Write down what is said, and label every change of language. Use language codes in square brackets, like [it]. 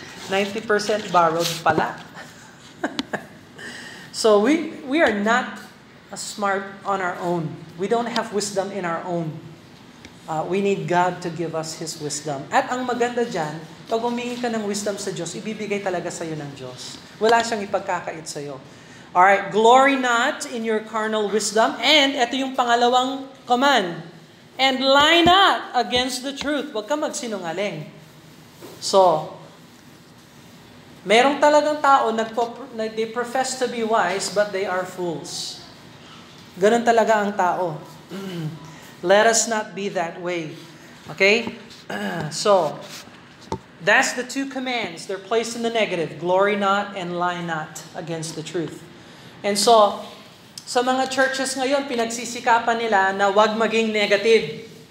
[tl] 90% borrowed pala. [en] So we are not smart on our own. We don't have wisdom in our own. We need God to give us His wisdom. [tl] At ang maganda dyan, pag humingi ka ng wisdom sa Diyos, ibibigay talaga sa'yo ng Diyos. Wala siyang ipagkakait sa'yo. [en] Alright, glory not in your carnal wisdom. [tl] And ito yung pangalawang command. [en] And lie not against the truth. [tl] Huwag ka magsinungaling. [en] So, [tl] merong talagang tao, [en] they profess to be wise, but they are fools. [tl] Ganun talaga ang tao. [en] Let us not be that way. Okay? So, that's the two commands. They're placed in the negative. Glory not and lie not against the truth. [tl] And so, sa mga churches ngayon, pinagsisikapan nila na wag maging negative.